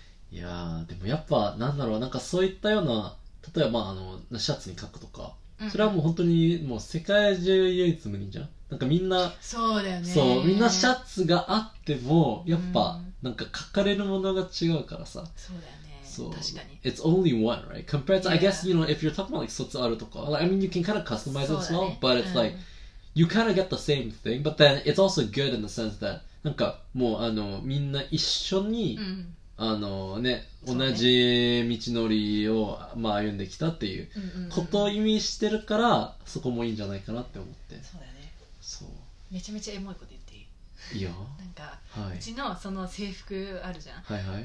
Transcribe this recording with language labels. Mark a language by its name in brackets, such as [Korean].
[Japanese] いやー、でもやっぱ、なんだろう、なんかそういったような、例えば、まあ、シャツに書くとか、それはもう本当に、もう世界中唯一無二じゃん。なんかみんな、そうだよね。そう、みんなシャツがあっても、やっぱ、なんか書かれるものが違うからさ。そうだよね。 [English] So, [Japanese] 確かに [English] It's only one, right? Compared to, yeah. I guess, you know, if you're talking about like 卒アルとか like, I mean, you can kind of customize、 [Japanese] ね、 [English] it as well But it's、 [Japanese] うん、 [English] like you kind of get the same thing, but then it's also good in the sense that [Japanese] なんかもうあのみんな一緒に、うん、あのね同じ道のりを、まあ、歩んできたっていうことを意味してるから、うんうんうん、そこもいいんじゃないかなって思って。そうだよね。そうめちゃめちゃエモいこと言っていい？いいよ。なんか、はい、うちのその制服あるじゃん、はいはい、